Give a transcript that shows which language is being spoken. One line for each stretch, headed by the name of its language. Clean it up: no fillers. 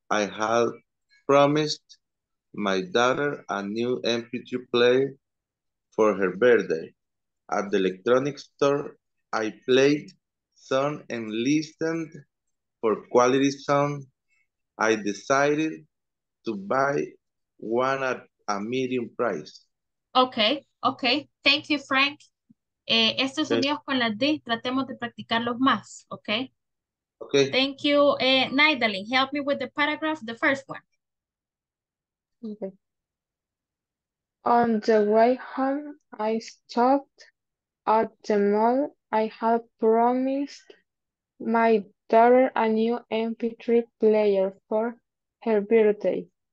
English: I had promised my daughter a new MP3 player for her birthday. At the electronics store, I played song and listened for quality sound. I decided to buy one at a medium price. Okay, okay. Thank you, Frank.
Spanish: Estos sonidos con la D, tratemos de practicarlos más, okay?
English: Okay. Thank you. Nidalee, help me with the paragraph, the first one. Okay. On the way home, I stopped at the mall. I had promised my daughter a new MP3 player for her birthday.